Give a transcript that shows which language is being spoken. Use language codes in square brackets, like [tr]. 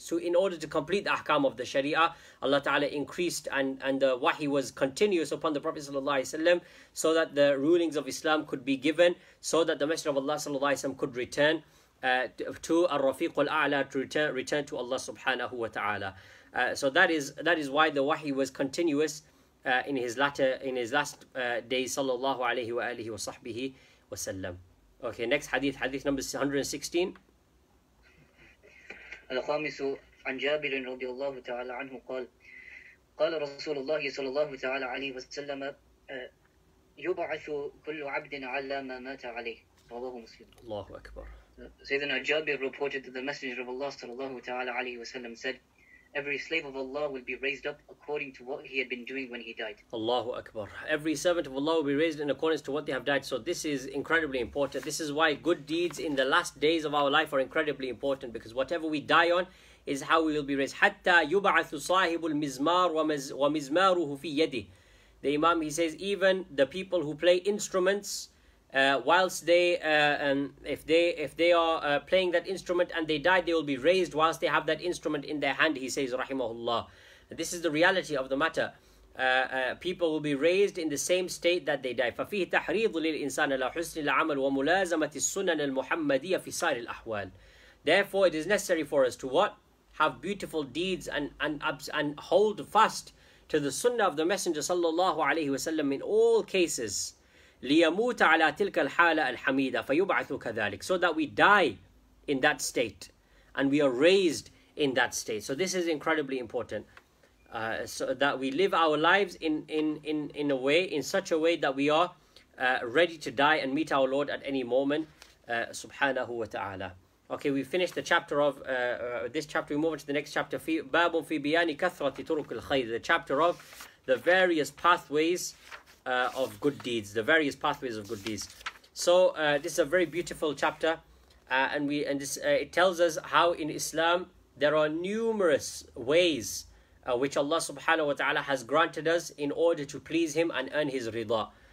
[en] So in order to complete the ahkam of the sharia, Allah Ta'ala increased and the wahi was continuous upon the Prophet Sallallahu Alaihi Wasallam, so that the rulings of Islam could be given, so that the Messenger of Allah Sallallahu Alaihi Wasallam could return to al-Rafiq al-A'la, to return to Allah Subhanahu Wa Ta'ala. So that is why the wahi was continuous in his last days, Sallallahu Alaihi Wa Alihi Wa Sahbihi Wa Sallam. Okay, next hadith, hadith number 116. [ar] الخامس عن جابر رضي الله تعالى عنه قال قال رسول الله صلى الله تعالى عليه وسلم يبعث كل عبد على ما مات عليه رواه مسلم. الله أكبر. [en] سيدنا جابر reported that the messenger of Allah [ar] صلى الله تعالى عليه وسلم [en] said every slave of Allah will be raised up according to what he had been doing when he died. [ar] Allahu Akbar. [en] Every servant of Allah will be raised in accordance to what they have died. So this is incredibly important. This is why good deeds in the last days of our life are incredibly important, because whatever we die on is how we will be raised. [ar] Hatta yub'athu sahibul mizmar wa mizmaruhu fi yadi. [en] The Imam, he says, even the people who play instruments, whilst they if they are playing that instrument and they die, they will be raised whilst they have that instrument in their hand, he says, rahimahullah. This is the reality of the matter. People will be raised in the same state that they die. [ar] ففيه تحريض للإنسان على حسن العمل وملازمة السنن المحمدية في سائر الأحوال. [en] Therefore, it is necessary for us to what? Have beautiful deeds and hold fast to the sunnah of the Messenger sallallahu alaihi wasallam in all cases. [ar] ليموت على تلك الحالة الحميدة فيبعث كذلك. [en] So that we die in that state and we are raised in that state. So this is incredibly important, so that we live our lives in a way, in such a way that we are ready to die and meet our Lord at any moment, subhanahu wa ta'ala. Okay, we finished the chapter of this chapter. We move on to the next chapter. [ar] باب في بيان كثرة طرق الخير. [en] The chapter of the various pathways of good deeds, the various pathways of good deeds. So this is a very beautiful chapter, and it tells us how in Islam there are numerous ways which Allah subhanahu wa ta'ala has granted us in order to please Him and earn His rida.